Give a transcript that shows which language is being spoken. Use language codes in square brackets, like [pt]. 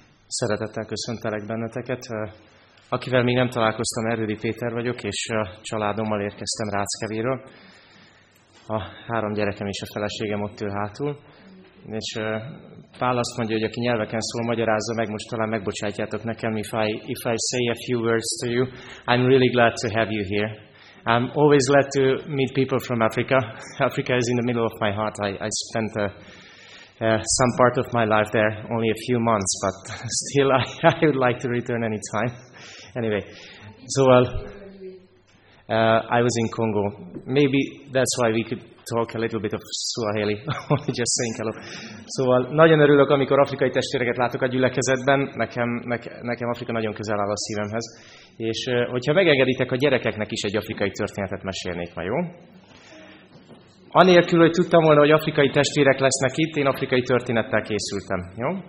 [hu] Szeretettel köszöntelek benneteket. Akivel még nem találkoztam, Erődi Péter vagyok, és családommal érkeztem Ráckevéről. A három gyerekem és a feleségem ott ül hátul. És Pál azt mondja, hogy aki nyelveken szól, magyarázza meg, most talán megbocsátjátok nekem, [en] if I say a few words to you. I'm really glad to have you here. I'm always glad to meet people from Africa. Africa is in the middle of my heart. I spent some part of my life there, only a few months, but still I would like to return any time. Anyway, so I was in Congo. Maybe that's why we could talk a little bit of Swahili, just saying hello. [hu] Szóval nagyon örülök, amikor afrikai testvéreket látok a gyülekezetben, nekem Afrika nagyon közel áll a szívemhez. És hogyha megengeditek, a gyerekeknek is egy afrikai történetet mesélnék ma, jó? Anélkül, hogy tudtam volna, hogy afrikai testvérek lesznek itt, én afrikai történettel készültem, jó?